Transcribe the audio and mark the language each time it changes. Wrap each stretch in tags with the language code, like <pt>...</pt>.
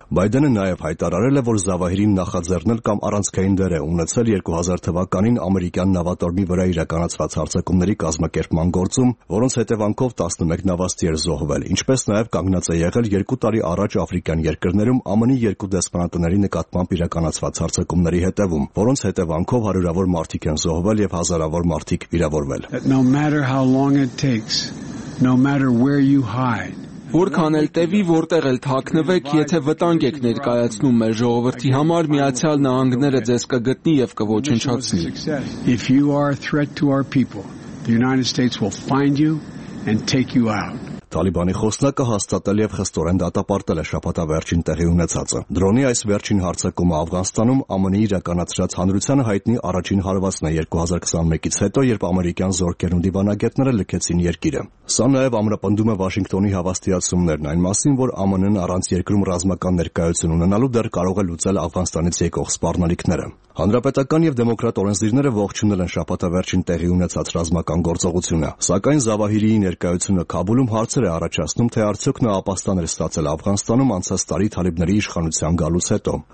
<hy>Բայդենը նաև հայտարարել է, որ Զավահիրին նախաձեռնել կամ առանցքային դեր է ունեցել 2000 թվականին ամերիկյան նավատորմի վրա իրականացված հարձակումների կազմակերպման գործում, որոնց հետևանքով 11 նավաստի էր զոհվել, ինչպես նաև կանգնած է եղել 2 տարի առաջ Աֆրիկյան երկրներում ԱՄՆ-ի 2 դեսպանատների նկատմամբ իրականացված հարձակումների հետևում, որոնց հետևանքով հարյուրավոր մարդիկ են զոհվել և հազարավոր մարդիկ վիրավորվել։ Որքան էլ տևի, որտեղ էլ թաքնվեք, եթե վտանգ եք ներկայացնում մեր ժողովրդի համար, Միացյալ Նահանգները ձեզ կգտնի և կոչնչացնի։</hy> <en>If you are a threat to our people, the United States will find you and take you out.</en> <hy>Թալիբանի խոսնակը հաստատել և խստորեն դատապարտել է շաբաթվա վերջին տեղի ունեցածը։ Դրոնի այս վերջին հարձակումը Աֆղանստանում ԱՄՆ-ի իրականացրած հանրությանը հայտնի առաջին հարվածն է 2021-ից հետո, երբ ամերիկյան զորքերն ու դիվանագետները լքեցին երկիրը։ Սա նաև ամրապնդում է Վաշինգտոնի հավաստիացումներն այն մասին, որ ԱՄՆ-ն առանց երկրում ռազմական ներկայություն ունենալու դեռ կարող է լուծել Աֆղանստանից եկող սպառնալիքները։ Հանրապետական և դեմոկրատ օրենսդիրները ողջունել են շաբաթվա վերջին տեղի ունեցած ռազմական գործողությունը, սակայն Զավահիրիի ներկայությունը Քաբուլում հարցեր է առաջացնում, թե արդյոք նա ապաստաներ ստացել Աֆղանստանում անցած տարի Թալիբների իշխանության գալուց հետո։</hy>